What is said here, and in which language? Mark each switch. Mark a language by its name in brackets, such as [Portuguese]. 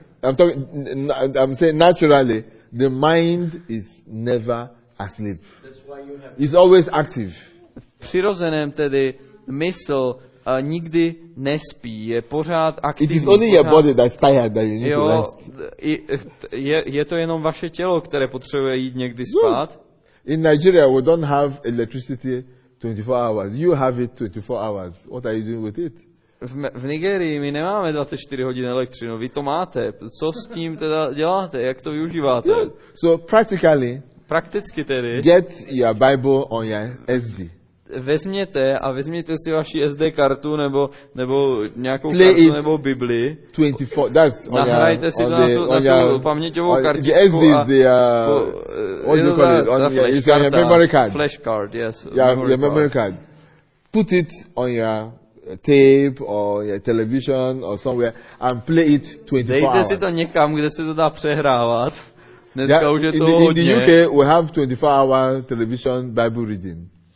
[English] I'm saying naturally the mind is never asleep. It's always active. [Czech] V přirozeném tedy mysl nikdy nespí, je pořád aktivní. [English] It is only your body that's tired that you need to rest. [Czech] Je to jenom vaše tělo, které potřebuje jít někdy spát. [English] In Nigeria we don't have electricity 24 hours. You have it 24 hours. What are you doing with it? [Czech] V Nigérii my nemáme 24 hodin elektřinu. Vy to máte. Co s tím teda děláte? Jak to využíváte? [English] Yeah. So practically. [Czech] Prakticky tedy. [English] Get your Bible on your SD. [Czech] Vezměte a vezměte si vaši SD kartu nebo nějakou Play kartu nebo Bibli. [English] 24. That's on your. [Czech] Nahrajte si to na tu paměťovou kartičku. [English] The SD is the what do you call it? On your, it's on your memory card. Flash card, yes. Yeah, your memory card. Put it on your tape or your television or somewhere and play it 24 [Czech] Dejte [English] hours. [Czech] Si to někam, kde se to dá přehrávat. Dneska yeah, už je to hodně. [English] In the UK we have 24 hour television Bible reading.